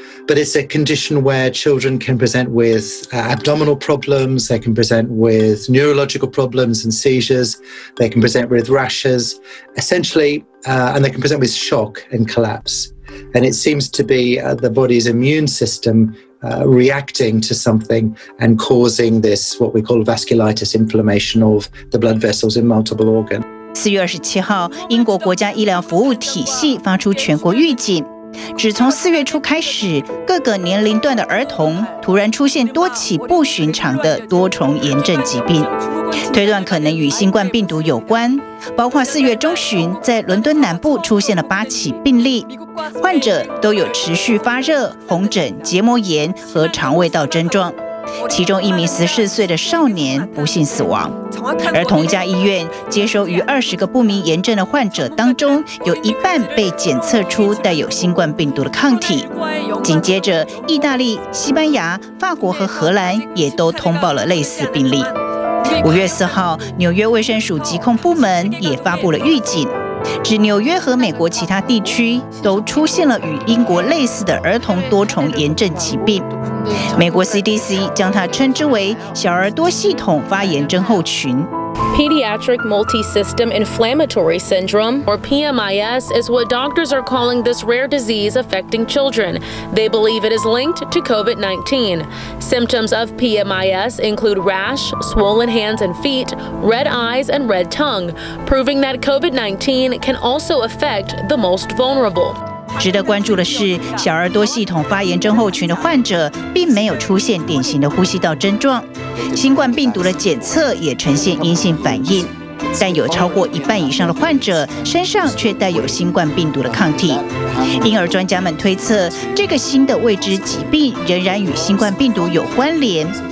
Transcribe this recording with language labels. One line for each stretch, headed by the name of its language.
English: But it's a condition where children can present with abdominal problems, they can present with neurological problems and seizures, they can present with rashes, essentially, and they can present with shock and collapse. And it seems to be the body's immune system reacting to something and causing this, what we call vasculitis, inflammation of the blood vessels in multiple organs.
Chinese: 4月27号，英国国家医疗服务体系发出全国预警，指从4月初开始，各个年龄段的儿童突然出现多起不寻常的多重炎症疾病，推断可能与新冠病毒有关，包括4月中旬在伦敦南部出现了8起病例，患者都有持续发热、红疹、结膜炎和肠胃道症状。其中一名14岁的少年不幸死亡，而同一家医院接收逾20个不明炎症的患者当中，有一半被检测出带有新冠病毒的抗体。紧接着，意大利、西班牙、法国和荷兰也都通报了类似病例。 5月4号，纽约卫生署疾控部门也发布了预警，指纽约和美国其他地区都出现了与英国类似的儿童多重炎症疾病。美国 CDC 将它称之为小儿多系统发炎症候群。
English: Pediatric Multisystem Inflammatory Syndrome, or PMIS, is what doctors are calling this rare disease affecting children. They believe it is linked to COVID-19. Symptoms of PMIS include rash, swollen hands and feet, red eyes, and red tongue, proving that COVID-19 can also affect the most vulnerable.
Chinese: 值得关注的是，小儿多系统发炎症候群的患者并没有出现典型的呼吸道症状，新冠病毒的检测也呈现阴性反应，但有超过一半以上的患者身上却带有新冠病毒的抗体，因而专家们推测，这个新的未知疾病仍然与新冠病毒有关联。